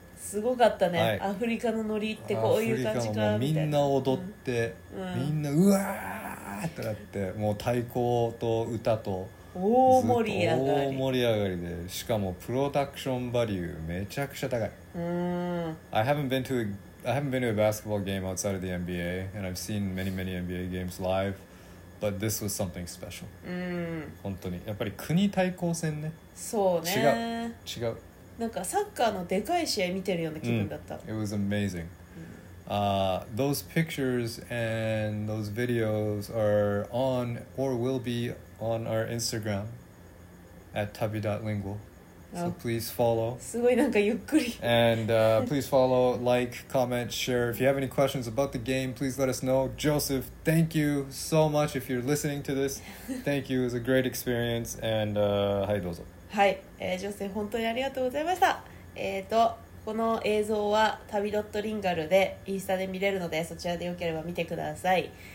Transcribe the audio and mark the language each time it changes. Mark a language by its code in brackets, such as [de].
[ja] すごかったね、はい、アフリカのノリってこういう感じかみたいな。みんな踊って、うん、みんなうわーってなって、もう太鼓と歌と大盛り上がり、大盛り上がりで、しかもプロダクションバリューめちゃくちゃ高い。 [en] I haven't been to a basketball game outside of the NBA, and I've seen many many NBA games live, but this was something special. [ja] うん、本当にやっぱり国対抗戦ね。そうね、違う。なんかサッカーのでかい試合見てるような気分だった。 [en] It was amazing. Those pictures and those videos are on or will be on our Instagram at tabi.lingual. So please follow. [ja] すごいなんかゆっくり。 [en] And please follow, like, comment, share. If you have any questions about the game, please let us know. Joseph, thank you so much if you're listening to this. Thank you. It was a great experience. And [ja] はいどうぞ。はい、ジョセ本当にありがとうございました。この映像は旅ドットリンガルでインスタで見れるので、そちらでよければ見てください。